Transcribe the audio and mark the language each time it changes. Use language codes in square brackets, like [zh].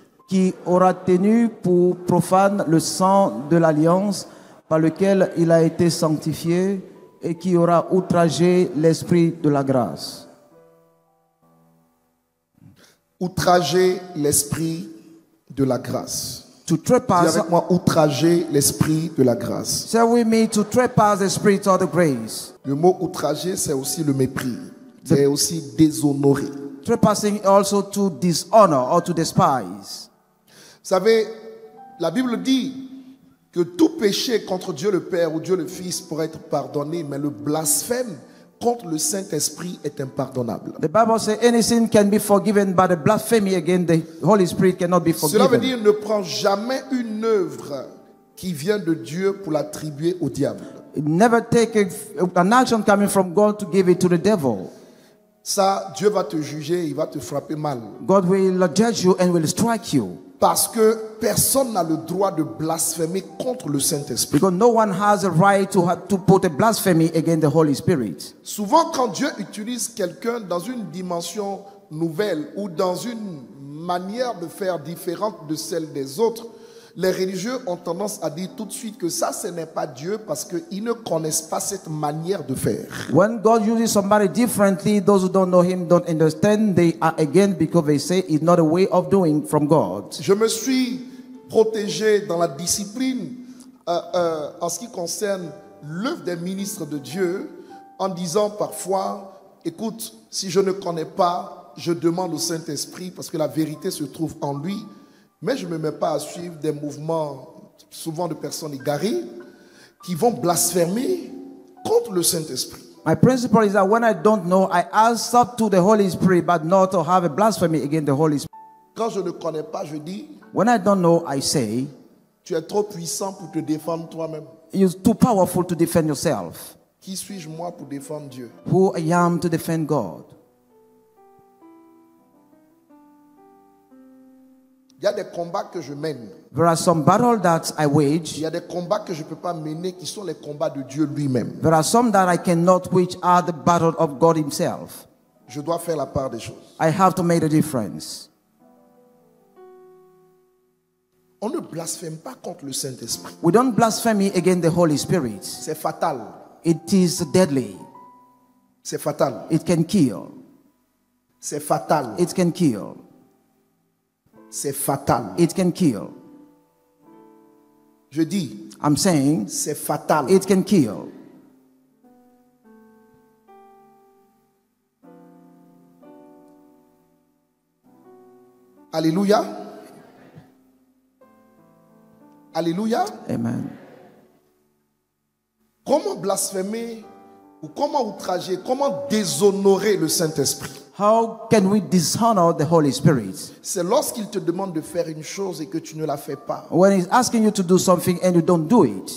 [fr] Qui aura tenu pour profane le sang de l'Alliance par lequel il a été sanctifié et qui aura outragé l'Esprit de la grâce. Outragé l'Esprit de la grâce. [en] To trespass. [fr] Dis avec moi, outragé l'Esprit de la grâce. [en] Say with me, to trespass the Spirit of the grace. [fr] Le mot outragé, c'est aussi le mépris, c'est aussi déshonorer. [en] Trespassing also to dishonor or to despise. [fr] Vous savez, la Bible dit que tout péché contre Dieu le Père ou Dieu le Fils pourrait être pardonné, mais le blasphème contre le Saint-Esprit est impardonnable. [en] The Bible says anything can be forgiven, but a blasphemy against the Holy Spirit cannot be forgiven. [fr] Cela veut dire ne prends jamais une œuvre qui vient de Dieu pour l'attribuer au diable. [en] Never take an action coming from God to give it to the devil. [fr] Ça, Dieu va te juger, il va te frapper mal. [en] God will judge you and will strike you. [fr] Parce que personne n'a le droit de blasphémer contre le Saint-Esprit. [en] Because no one has a right to put a blasphemy against the Holy Spirit. [fr] Souvent, quand Dieu utilise quelqu'un dans une dimension nouvelle ou dans une manière de faire différente de celle des autres, les religieux ont tendance à dire tout de suite que ça, ce n'est pas Dieu parce qu'ils ne connaissent pas cette manière de faire. [en] When God uses somebody differently, those who don't know him don't understand, they are again because they say it's not a way of doing from God. [fr] Je me suis protégé dans la discipline en ce qui concerne l'œuvre des ministres de Dieu en disant parfois, écoute, si je ne connais pas, je demande au Saint-Esprit parce que la vérité se trouve en lui. Mais je ne me mets pas à suivre des mouvements, souvent de personnes égarées, qui vont blasphémer contre le Saint-Esprit. [en] My principle is that when I don't know, I ask up to the Holy Spirit, but not to have a blasphemy against the Holy Spirit. [fr] Quand je ne connais pas, je dis. [en] When I don't know, I say. [fr] Tu es trop puissant pour te défendre toi-même. [en] You're too powerful to defend yourself. [fr] Qui suis-je moi pour défendre Dieu? [en] Who I am to defend God? [fr] Il y a des combats que je mène. [en] There are some battles that I wage. [fr] Il y a des combats que je peux pas mener qui sont les combats de Dieu lui-même. [en] There are some that I cannot which are the battle of God himself. [fr] Je dois faire la part des choses. [en] I have to make a difference. [fr] On ne blasphème pas contre le Saint-Esprit. [en] We don't blaspheme against the Holy Spirit. [fr] C'est fatal. [en] It is deadly. [fr] C'est fatal. [en] It can kill. [fr] C'est fatal. [en] It can kill. [fr] C'est fatal. [en] It can kill. [fr] Je dis. [en] I'm saying. [fr] C'est fatal. [en] It can kill. [fr] Alléluia. Alléluia. Amen. Comment blasphémer ou comment outrager, comment déshonorer le Saint-Esprit? [en] How can we dishonor the Holy Spirit? [fr] C'est lorsqu'il te demande de faire une chose et que tu ne la fais pas. [en] When he's asking you to do something and you don't do it.